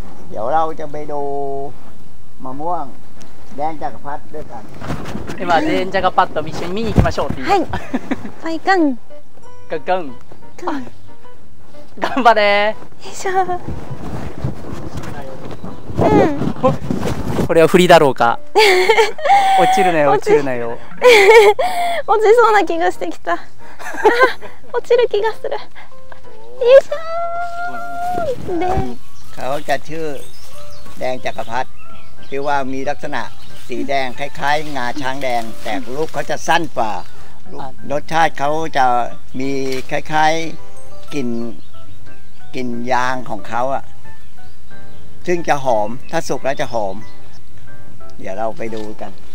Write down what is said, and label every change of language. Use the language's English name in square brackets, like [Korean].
[Thai] เดี๋ยวเราจะไปดูมะม่วงแดงจักรพรรดิด้วยกัน。 [Japanese] 今แดงจักรพรรดิ一緒に見に行きましょうっていう。はい。はい、ガン。ガン。ガン。頑張れ。よいしょ。これは振りだろうか。落ちるなよ、落ちるなよ。落ちそうな気がしてきた。落ちる気がする。よいしょー。 [Thai] で、เขาจะชื่อแดงจักรพรรดิที่ว่ามีลักษณะสีแดงคล้ายๆงาช้างแดงแต่ลูกเขาจะสั้นกว่ารสชาติเขาจะมีคล้ายๆกลิ่นยางของเขาอ่ะซึ่งจะหอมถ้าสุกแล้วจะหอมเดี๋ยวเราไปดูกัน